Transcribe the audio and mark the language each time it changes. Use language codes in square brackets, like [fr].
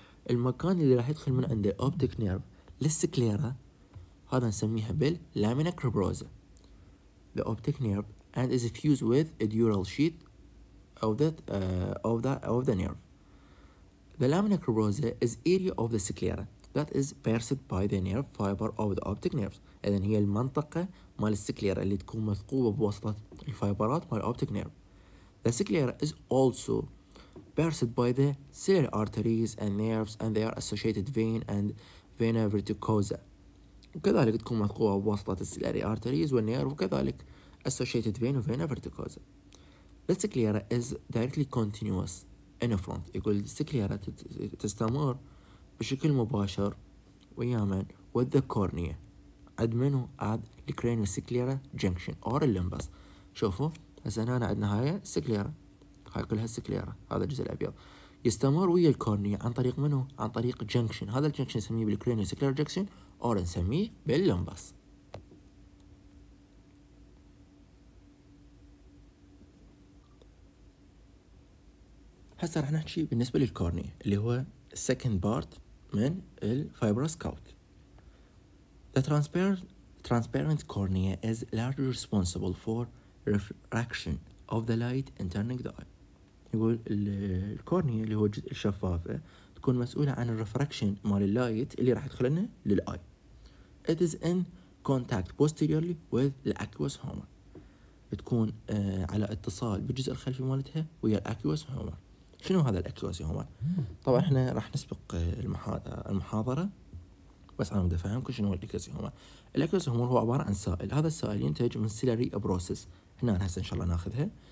[ar] المكان اللي راح يدخل من عند الاوبتيك نيرف للسكليرا هذا نسميها بال لامينا كربروزا [en] The optic nerve and is fused with a dural sheath of that of the of the nerve. The lamina cribrosa is area of the sclera that is pierced by the nerve fibre of the optic nerve. [ar] اذا هي المنطقه مال السكليرة اللي تكون مثقوبة بواسطة الفايبرات مال الأوبتيك نيرف. [en] The sclera is also pierced by the ciliary arteries and nerves and they are associated vein and vena verticosa. [ar] وكذلك تكون مثقوبة بواسطة الciliary arteries والنيرف وكذلك [en] associated vein and vena verticosa. The sclera is directly continuous in front. [ar] يقول السكليرة تستمر بشكل مباشر ويامن [en] with the cornea. [ar] عد منو؟ عد cranio-sclera junction or limbus. شوفوا هسنا أنا عندنا هاي سكليرا، هاي كلها سكليرا، هذا الجزء الأبيض يستمر ويا الكورنيا عن طريق منه؟ عن طريق جنكشن. هذا الجنكشن نسميه بالكرينيو سكلير جنكشن أو نسميه باللمبس. هسه رح نحكي بالنسبة للكورنيا اللي هو second part من الفايبروس كوت. [en] The transparent cornea is largely responsible for refraction of the light entering the eye. [ar] يقول الكورنيا اللي هو جزء الشفافة تكون مسؤولة عن الرفراكشن مال اللايت اللي راح يدخلنا للآي. [en] It is in contact posteriorly with the aqueous humor. [ar] تكون على اتصال بالجزء الخلفي مالتها ويا الأكيوس هومر. شنو هذا الأكيوس هومر؟ طبعا احنا راح نسبق المحاضرة بس انا بدي افهمكم شنو الأكيوس هومر. الأكيوس هومر هو عبارة عن سائل، هذا السائل ينتج من سيلاري ابروسس، هنا هسه ان شاء الله ناخذها.